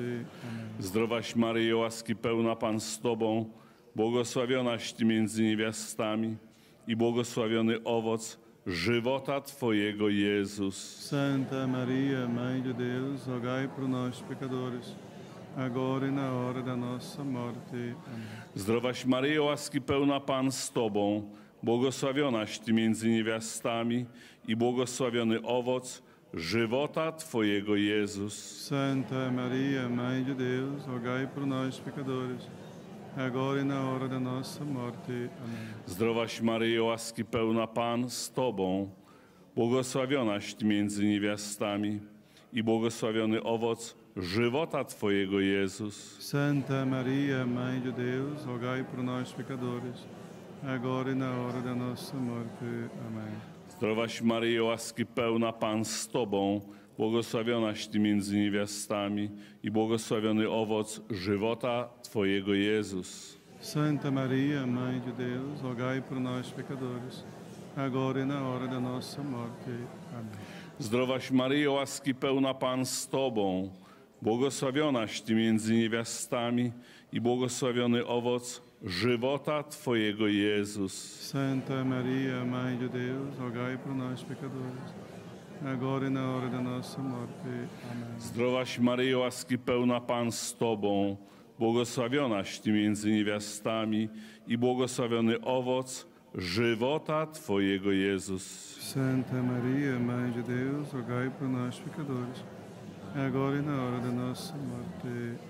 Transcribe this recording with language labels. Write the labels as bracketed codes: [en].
[pt] Amém. [pl] Zdrowaś Maryjo, łaski pełna, Pan z Tobą, błogosławionaś Ty między niewiastami i błogosławiony owoc żywota Twojego, Jezus. [pt] Santa Maria, Mãe de Deus, rogai por nós, pecadores, agora e na hora da nossa morte. Amém. [pl] Zdrowaś Maryjo, łaski pełna, Pan z Tobą, błogosławionaś Ty między niewiastami i błogosławiony owoc żywota Twojego, Jezus. [pt] Santa Maria, Mãe de Deus, rogai por nós, pecadores, agora e na hora da nossa morte. Amém. [pl] Zdrowaś Maryjo, łaski pełna, Pan z Tobą, błogosławionaś Ty między niewiastami i błogosławiony owoc żywota Twojego, Jezus. [pt] Santa Maria, Mãe de Deus, rogai por nós, pecadores, agora e na hora da nossa morte. Amém. [pl] Zdrowaś Maryjo, łaski pełna, Pan z Tobą, błogosławionaś Ty między niewiastami i błogosławiony owoc żywota Twojego, Jezus. [pt] Santa Maria, Mãe de Deus, rogai por nós, pecadores, agora e na hora da nossa morte. Amém. [pl] Zdrowaś Maryjo, łaski pełna, Pan z Tobą, błogosławionaś Ty między niewiastami i błogosławiony owoc żywota Twojego, Jezus. [pt] Santa Maria, Mãe de Deus, rogai por nós, pecadores, agora e na hora da nossa morte. Amém. [pl] Zdrowaś Maryjo, łaski pełna, Pan z Tobą, błogosławionaś Ty między niewiastami i błogosławiony owoc żywota Twojego, Jezus. [pt] Santa Maria, Mãe de Deus, rogai por nós, pecadores, agora e na hora da nossa morte.